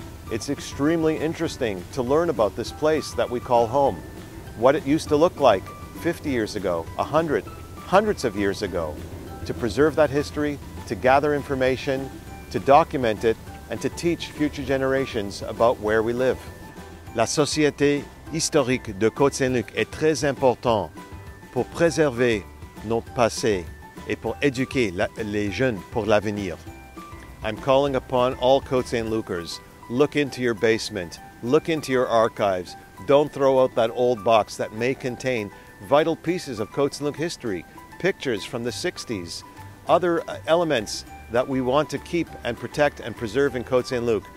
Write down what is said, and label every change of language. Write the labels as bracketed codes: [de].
[en] It's extremely interesting to learn about this place that we call home, what it used to look like 50 years ago, 100, hundreds of years ago, to preserve that history, to gather information, to document it, and to teach future generations about where we live. [fr] La Société historique de Côte Saint-Luc est très importante pour préserver notre passé et pour éduquer les jeunes pour l'avenir. [en] I'm calling upon all Côte Saint-Lucers, look into your basement, look into your archives. Don't throw out that old box that may contain vital pieces of Côte Saint-Luc history, pictures from the 60s, other elements that we want to keep and protect and preserve in Côte Saint-Luc.